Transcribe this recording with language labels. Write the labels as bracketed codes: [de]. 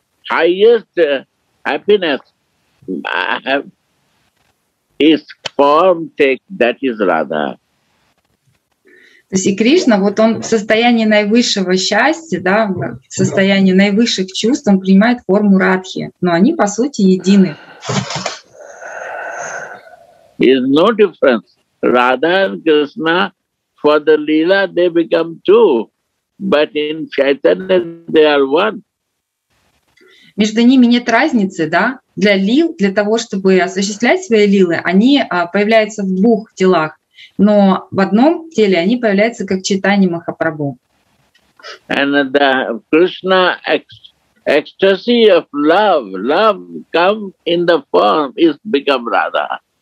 [en] Highest happiness I have is form take, that is Radha. [ru] То есть и Кришна, вот он в состоянии наивысшего счастья, да, в состоянии наивысших чувств, он принимает форму Радхи, но они по сути едины. [en] Is no difference. Radha and Krishna for the Leela they become two, but in Chaitanya they are one. [ru] Между ними нет разницы, да? Для лил, для того, чтобы осуществлять свои лилы, они появляются в двух телах, но в одном теле они появляются как Чайтанья Махапрабху. [en] And the Krishna ecstasy of love come in the form is become Radha.